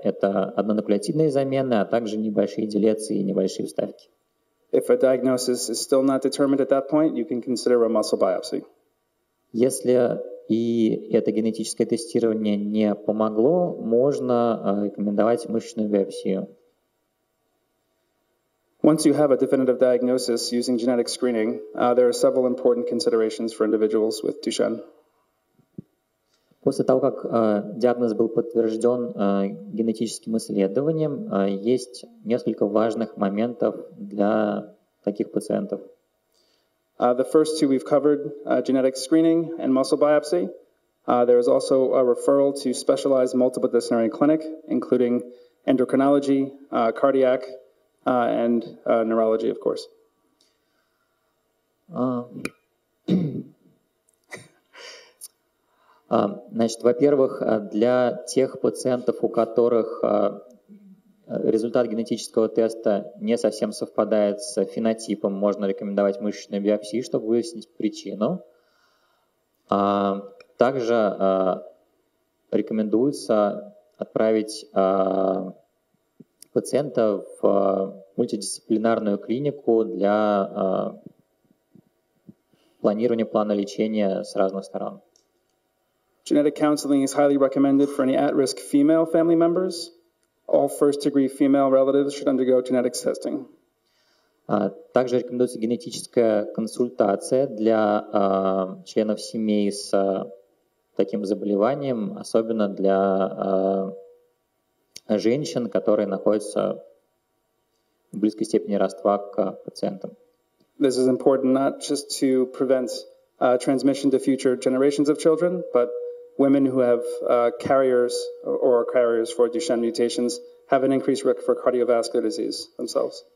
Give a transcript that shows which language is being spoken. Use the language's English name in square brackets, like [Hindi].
[Russian] Это однонуклеотидные замены, а также небольшие делеции и небольшие вставки. [English] If a diagnosis is still not determined at that point, you can consider a muscle biopsy. [Russian] Если и это генетическое тестирование не помогло, можно рекомендовать мышечную биопсию. [English] Once you have a definitive diagnosis using genetic screening, there are several important considerations for individuals with Duchenne. [Russian] После того, как диагноз был подтвержден генетическим исследованием, есть несколько важных моментов для таких пациентов. [English] The first two we've covered, genetic screening and muscle biopsy. There is also a referral to specialized multiple disciplinary clinic, including endocrinology, cardiac, and neurology, of course. [Russian] Значит, во-первых, для тех пациентов, у которых результат генетического теста не совсем совпадает с фенотипом, можно рекомендовать мышечную биопсию, чтобы выяснить причину. Также рекомендуется отправить пациента в мультидисциплинарную клинику для планирования плана лечения с разных сторон. [English] Genetic counseling is highly recommended for any at-risk female family members. All first-degree female relatives should undergo genetics testing. [Russian] Также рекомендуется генетическая консультация для членов семей с таким заболеванием, особенно для женщин, которые находятся в близкой степени родства к пациентам. [English] This is important not just to prevent transmission to future generations of children, but women who have carriers or carriers for Duchenne mutations have an increased risk for cardiovascular disease themselves.